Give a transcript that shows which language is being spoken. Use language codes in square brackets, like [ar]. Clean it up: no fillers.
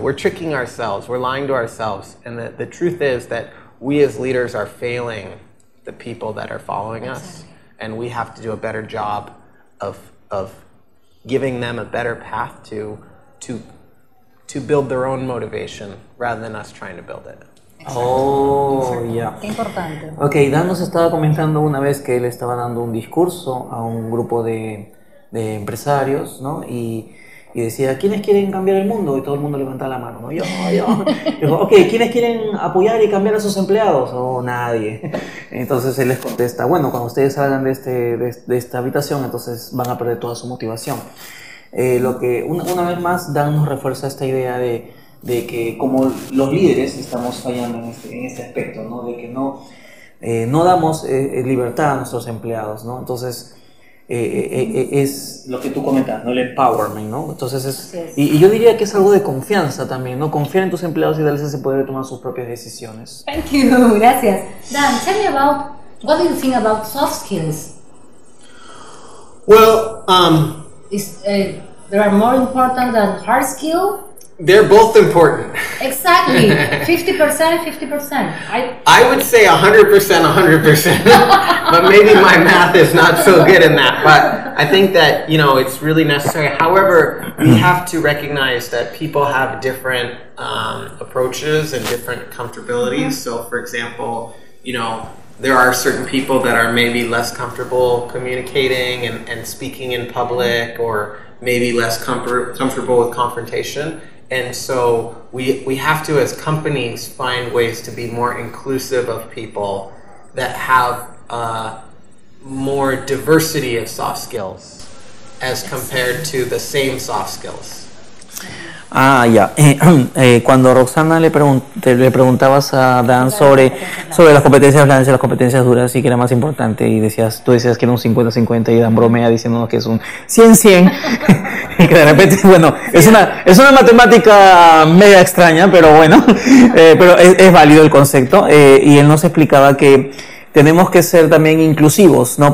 [en] We're tricking ourselves. We're lying to ourselves. And the truth is that we as leaders are failing the people that are following us. And we have to do a better job of giving them a better path to build their own motivation rather than us trying to build it. [es] Exacto. [en] Oh, yeah. [es] Qué importante. Okay, Dan nos estaba comentando una vez que él estaba dando un discurso a un grupo de empresarios, ¿no? Y decía, ¿quiénes quieren cambiar el mundo? Y todo el mundo levantaba la mano, ¿no? Yo, yo. Dijo, okay, ¿quiénes quieren apoyar y cambiar a sus empleados? Oh, nadie. Entonces él les contesta, bueno, cuando ustedes salgan de esta habitación, entonces van a perder toda su motivación. Lo que una vez más Dan nos refuerza esta idea de que como los líderes estamos fallando en este aspecto, ¿no? De que no damos libertad a nuestros empleados, ¿no? Entonces es lo que tú comentas, ¿no? El empowerment, ¿no? Entonces es, y yo diría que es algo de confianza también, ¿no? Confiar en tus empleados y darles ese poder de tomar sus propias decisiones. [en] Thank you, [es] gracias. [en] Dan, tell me about, what do you think about soft skills? Well, They are more important than hard skill? They're both important. Exactly. 50%, 50%. I would say 100%, 100%. But maybe my math is not so good in that. But I think that, you know, it's really necessary. However, we have to recognize that people have different approaches and different comfortabilities. Mm-hmm. So, for example, you know, there are certain people that are maybe less comfortable communicating and speaking in public, or maybe less comfortable with confrontation. And so we have to, as companies, find ways to be more inclusive of people that have more diversity of soft skills as compared to the same soft skills. [es] Ah, ya. Cuando Roxana le preguntabas a Dan sobre las competencias blandas y las competencias duras, y que era más importante, y tú decías que era un 50-50, y Dan bromea diciéndonos que es un 100-100, y que de repente, bueno, es una matemática media extraña, pero bueno, pero es válido el concepto, y él nos explicaba que tenemos que ser también inclusivos, ¿no?